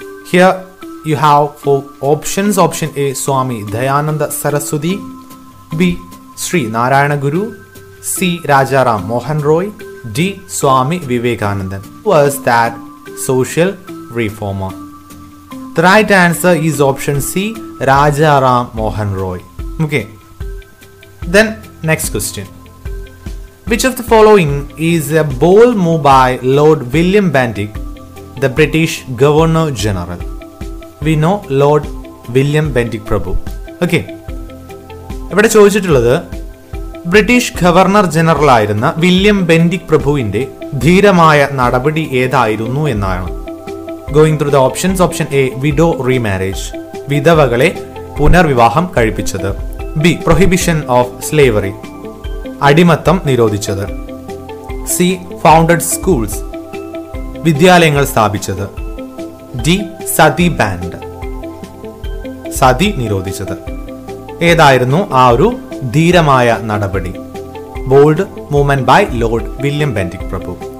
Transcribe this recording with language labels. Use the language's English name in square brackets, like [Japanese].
[English] Here you have four options. Option A, Swami Dayananda Saraswati; B, Sri Narayana Guru; C, Rajaram Mohan Roy; D, Swami Vivekanandan. Who was that social reformer? The right answer is option C, Rajaram Mohan Roy. Okay, then next question. Which of the following is a bold move by Lord William Bentinck, the British Governor General? We know Lord William Bentinck Prabhu. Okay. [Malayalam] ഇവിടെ ചോദിച്ചിട്ടുള്ളത് British governor general ആയിരുന്ന William Bentinck പ്രഭുവിന്റെ ധീരമായ നടപടി ഏതായിരുന്നു എന്നാണ്. [English] Going through the options, option A, widow remarriage, [Malayalam] വിധവകളെ പുനർവിവാഹം കഴിപ്പിച്ചത്. [English] B, prohibition of slavery, [Malayalam] അടിമത്തം നിരോധിച്ചത്. [English] C, founded schools, [Malayalam] വിദ്യാലയങ്ങൾ സ്ഥാപിച്ചത്. [English] D, sati banned, [Malayalam] സതി നിരോധിച്ചത്. ഏതായിരുന്നു ആ ഒരു ധീരമായ നടപടി? [English] Bold movement by Lord William Bentinck പ്രഭു.